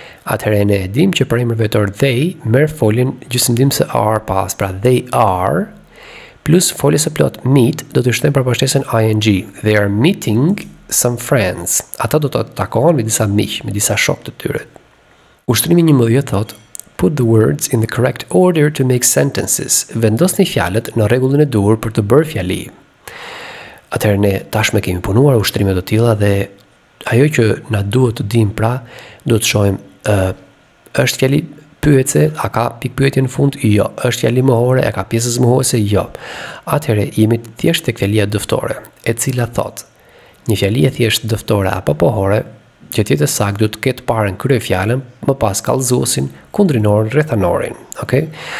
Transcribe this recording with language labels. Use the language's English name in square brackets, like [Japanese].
[Albanian] Atëherë ne dim që për emër vetor they merr foljen gjysmëdimse are pas, pra they are plus folja së plot meet do të shtojmë përpashtesën ing. [English] They are meeting some friends. [Albanian] Ata do të takohen me disa miq, me disa shokë të tyre. Ushtrimi 11 thotë: [English] Put the words in the correct order to make sentences. [Albanian] Vendosni fjalët në rregullin e duhur për të bërë fjali. Atëherë ne tashmë kemi punuar ushtrime të tilla dhe ajo që na duhet të dim pra, do të shohim është fjali pyetëse, a ka pikë pyetje në fund? Jo. Është fjali mohore, a ka pjesë zmohuese? Jo. Atëherë jemi thjesht tek fjalia dëftore, e cila thotë: Një fjali e thjesht dëftore apo pohore, që të jetë saktë duhet të ketë parën kryefjalën, më pas kallëzuesin, kundrinorin, rrethanorin. Okej? Okay?